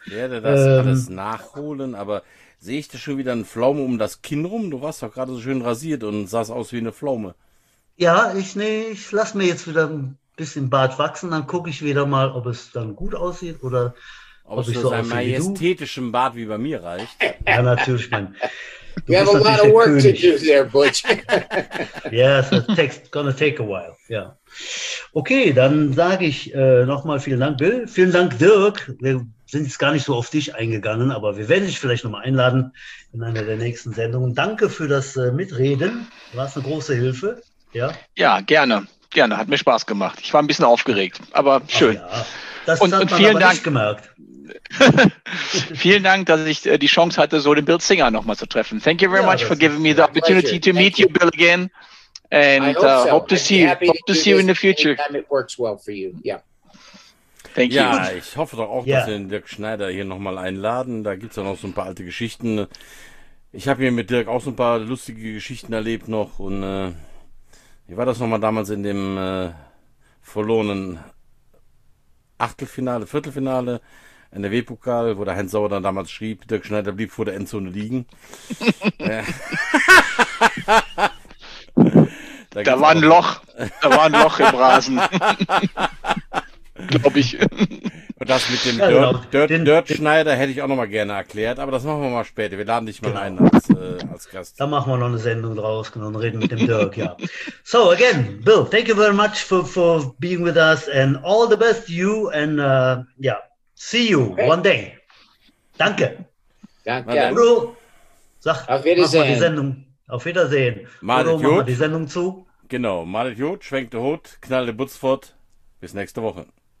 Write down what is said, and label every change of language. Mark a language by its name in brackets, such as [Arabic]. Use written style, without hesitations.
[German] Ich werde das alles nachholen. Aber sehe ich da schon wieder einen Pflaumen um das Kinn rum? Du warst doch gerade so schön rasiert und sahst aus wie eine Pflaume. Ja, ich lasse mir jetzt wieder ein bisschen Bart wachsen. Dann gucke ich wieder mal, ob es dann gut aussieht oder ob es so aus einem majestätischen Bart wie bei mir reicht. Ja, natürlich, Mann. [English] Du, you have a lot of work König to do there, Butch. Yes, it's gonna take a while. Yeah. [German] Okay, dann sage ich nochmal vielen Dank, Bill. Vielen Dank, Dirk. Wir sind jetzt gar nicht so auf dich eingegangen, aber wir werden dich vielleicht nochmal einladen in einer der nächsten Sendungen. Danke für das Mitreden. Du warst eine große Hilfe. Ja, ja, gerne. Gerne, hat mir Spaß gemacht. Ich war ein bisschen aufgeregt, aber schön. Ach, ja. Das und, hat und man vielen aber Dank nicht gemerkt. Vielen Dank, dass ich die Chance hatte, so den Bill Singer nochmal zu treffen. [English] Thank you very much for giving me the opportunity to meet you, Bill, again. And hope to see you in the future. It works well for you. Yeah. Thank you. [German] Ja, ich hoffe doch auch, dass wir den Dirk Schneider hier nochmal einladen. Da gibt es ja noch so ein paar alte Geschichten. Ich habe hier mit Dirk auch so ein paar lustige Geschichten erlebt noch. Und wie war das nochmal damals in dem verlorenen Achtelfinale, Viertelfinale? NRW-Pokal, wo der Heinz Sauer dann damals schrieb, Dirk Schneider blieb vor der Endzone liegen. da war ein Loch. Da war ein Loch im Rasen. Glaube ich. Und das mit dem Dirk Schneider hätte ich auch nochmal gerne erklärt, aber das machen wir mal später. Wir laden dich mal ein als Gast. Da machen wir noch eine Sendung draus und reden mit dem Dirk, ja. [English] So, again, Bill, thank you very much for being with us and all the best to you and yeah. See you one day. [German] Danke. Danke. Udo, sag, auf Wiedersehen. Mach mal die Sendung. Auf Wiedersehen. Udo, mach mal die Sendung zu. Genau. Malet Jod, schwenkt der Hut, knallt der Butz fort. Bis nächste Woche.